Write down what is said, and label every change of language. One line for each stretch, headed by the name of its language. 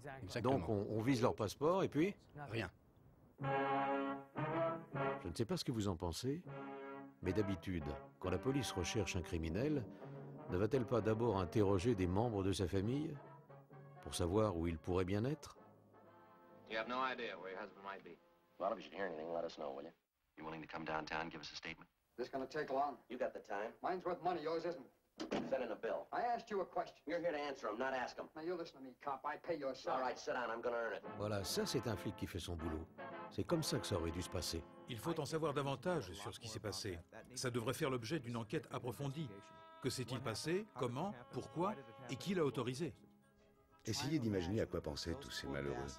French: Le pays. Donc on vise leur passeport et puis... Rien. Je ne sais pas ce que vous en pensez, mais d'habitude, quand la police recherche un criminel, ne va-t-elle pas d'abord interroger des membres de sa famille pour savoir où il pourrait bien être?
English: You have no idea where your husband might be. Well, if you should hear anything, let us know, will you? You willing to come downtown and give us a statement? This gonna take long. You got the time. Mine's worth money, yours isn't. Send in a bill. I asked you a question. You're here to answer them, not ask them. Now you listen to me, cop. I pay your salary. All right, sit down. I'm gonna earn it.
French: Voilà, ça c'est un flic qui fait son boulot. C'est comme ça que ça aurait dû se passer. Il faut en savoir davantage sur ce qui s'est passé. Ça devrait faire l'objet d'une enquête approfondie. Que s'est-il passé? Comment? Pourquoi? Et qui l'a autorisé? Essayez d'imaginer à quoi pensaient tous ces malheureux.